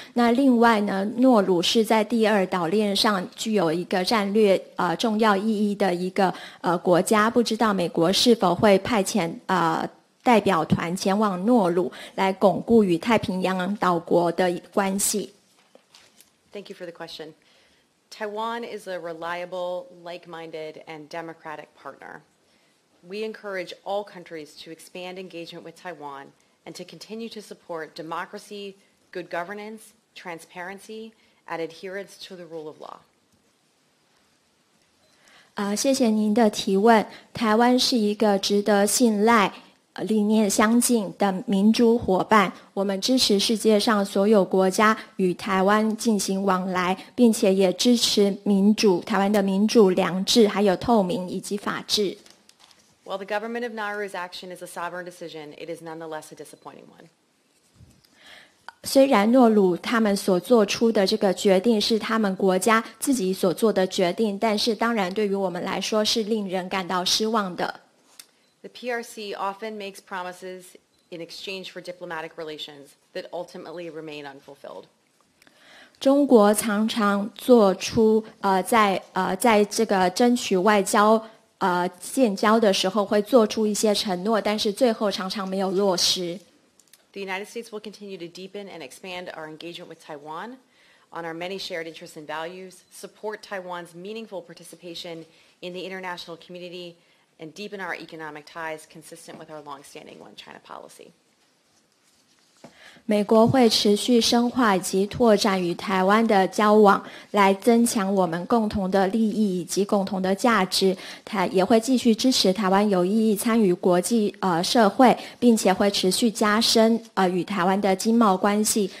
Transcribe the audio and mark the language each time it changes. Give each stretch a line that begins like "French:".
Chinese: 那另外呢，诺鲁是在第二岛链上具有一个战略重要意义的一个国家，不知道美国是否会派遣代表团前往诺鲁来巩固与太平洋岛国的关系。
English: Thank you for the questionTaiwan is a reliable, like-minded, and democratic partner. We encourage all countries to expand engagement with Taiwan and to continue to support democracy, good governance, transparency, and adherence to the rule of law.
Chinese: 谢谢您的提问。台湾是一个值得信赖理念相近的民主伙伴，我们支持世界上所有国家与台湾进行往来，并且也支持民主，台湾的民主、良治、还有透明以及法治。
English: While the government of Nauru's action is a sovereign decision, it is nonetheless a disappointing one.
Chinese: 虽然诺鲁他们所做出的这个决定是他们国家自己所做的决定，但是当然对于我们来说是令人感到失望的。
English: The PRC often makes promises in exchange for diplomatic relations that ultimately remain unfulfilled.
Chinese: 中国常常做出在这个争取外交建交的时候会做出一些承诺，但是最后常常没有落实。
English: The United States will continue to deepen and expand our engagement with Taiwan on our many shared interests and values, support Taiwan's meaningful participation in the international community. And deepen our economic ties consistent with our long-standing One China policy.
Chinese: 美国会持续深化以及拓展与台湾的交往，来增强我们共同的利益以及共同的价值。它也会继续支持台湾有意义参与国际社会，并且会持续加深与台湾的经贸关系。